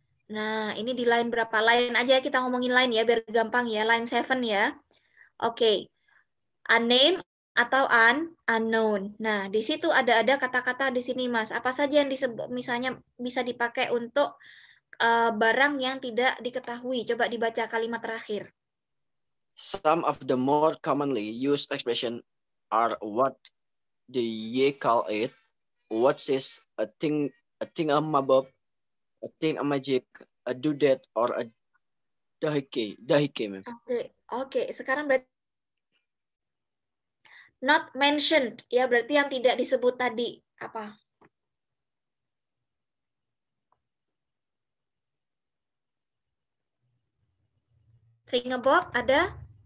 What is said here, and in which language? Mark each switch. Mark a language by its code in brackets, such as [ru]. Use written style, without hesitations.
[id] Nah, ini di line berapa? Line aja kita ngomongin line ya, biar gampang ya. Line 7 ya. Oke. Okay. Unnamed atau unknown. Nah, di situ ada kata-kata di sini, Mas. Apa saja yang disebut, misalnya bisa dipakai untuk barang yang tidak diketahui. Coba dibaca kalimat terakhir. [en] Some of the more commonly used expression are what the ye call it, what is a thing a mabob, a thing a magic, a doodad, or a dahike, ma'am. Okay. [id] Sekarang berarti not mentioned, ya, berarti yang tidak disebut tadi, apa? Thing a bob, ada?